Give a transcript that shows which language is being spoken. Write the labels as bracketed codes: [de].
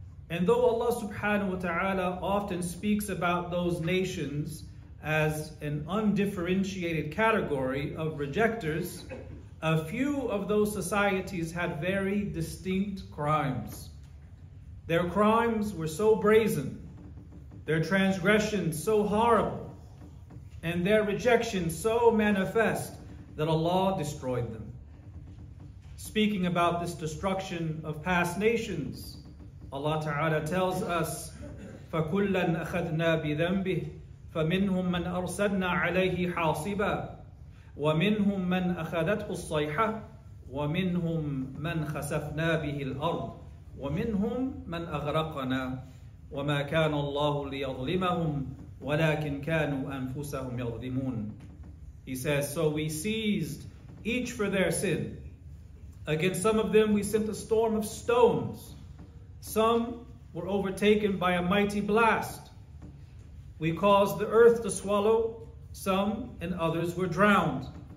[en] And though Allah subhanahu wa ta'ala often speaks about those nations as an undifferentiated category of rejectors, a few of those societies had very distinct crimes. Their crimes were so brazen, their transgressions so horrible, and their rejection so manifest that Allah destroyed them. Speaking about this destruction of past nations, Allah Ta'ala tells us, [ar] فَكُلًّا أَخَذْنَا بِذَنْبِهِ فَمِنْهُمْ مَنْ أَرْسَدْنَا عَلَيْهِ حَاصِبًا وَمِنْهُمْ مَنْ أَخَذَتْهُ الصَّيْحَةِ ومنهم من خسفنا به الأرض ومنهم من أغرقنا وما كان الله ليظلمهم ولكن كانوا أنفسهم يظلمون. [en] He says, so we seized each for their sin. Against some of them we sent a storm of stones. Some were overtaken by a mighty blast. We caused the earth to swallow. Some and others were drowned.